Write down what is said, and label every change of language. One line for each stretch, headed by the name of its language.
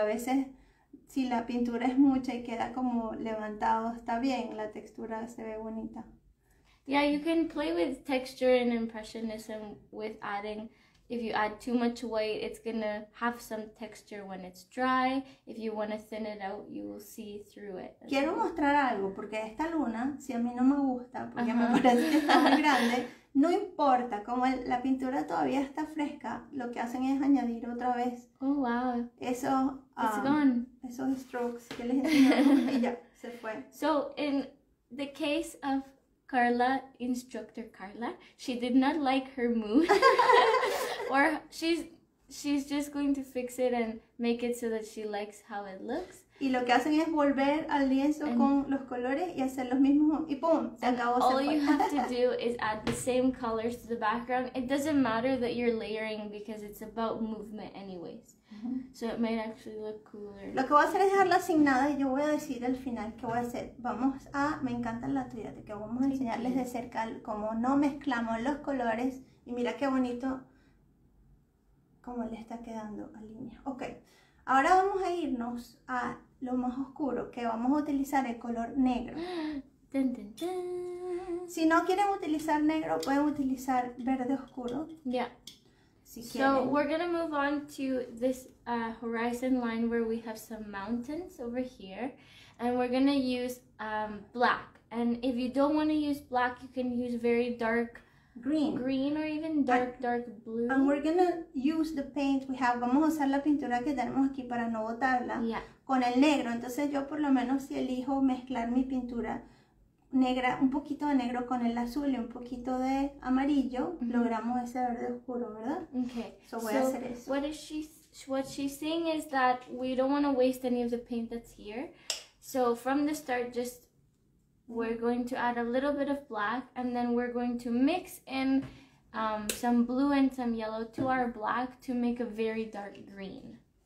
Spanish: A veces, si la pintura es mucha y queda como levantado, está bien. La textura se ve bonita.
English: Yeah, you can play with texture and impressionism with adding If you add too much white, it's gonna have some texture when it's dry. If you want to thin it out, you will see through it.
Spanish: Quiero mostrar algo porque esta luna, si a mí no me gusta, porque me parece que está muy grande, no importa, como la pintura todavía está fresca, lo que hacen es añadir otra vez.
English: Oh, wow.
Spanish: Eso,
English: it's gone.
Spanish: Esos strokes que les enseñaron y ya, se fue.
English: So, in the case of Carla, instructor Carla, she did not like her mood. Or she's just going to fix it and make it so that she likes how it looks.
Spanish: Y lo que hacen es volver al lienzo and, con los colores y hacer los mismos y pum, se acabó.
English: All you have to do is add the same colors to the background. It doesn't matter that you're layering because it's about movement anyways. Mm-hmm. So it might actually look cooler.
Spanish: Lo que voy a hacer es dejarla sin nada y yo voy a decir al final qué voy a hacer. Vamos a, me encanta la tuya, de que vamos a enseñarles de cerca cómo no mezclamos los colores y mira qué bonito cómo le está quedando a línea. Okay. Ahora vamos a irnos a lo más oscuro, que vamos a utilizar el color negro. Dun, dun, dun. Si no quieren utilizar negro, pueden utilizar verde oscuro.
English: Yeah.
Spanish: Si quieren.
English: So we're gonna move on to this horizon line where we have some mountains over here, and we're gonna use black. And if you don't want to use black, you can use very dark green or even dark blue. And we're gonna use the paint we have.
Spanish: Vamos a usar la pintura que tenemos aquí para no botarla.
English: Yeah.
Spanish: Con el negro. Entonces yo por lo menos si elijo mezclar mi pintura negra, un poquito de negro con el azul y un poquito de amarillo, mm-hmm. logramos ese verde oscuro, ¿verdad?
English: Okay.
Spanish: So voy a hacer eso.
English: What she's saying is that we don't want to waste any of the paint that's here. So from the start, just we're going to add a little bit of black, and then we're going to mix in some blue and some yellow to our black to make a very dark green.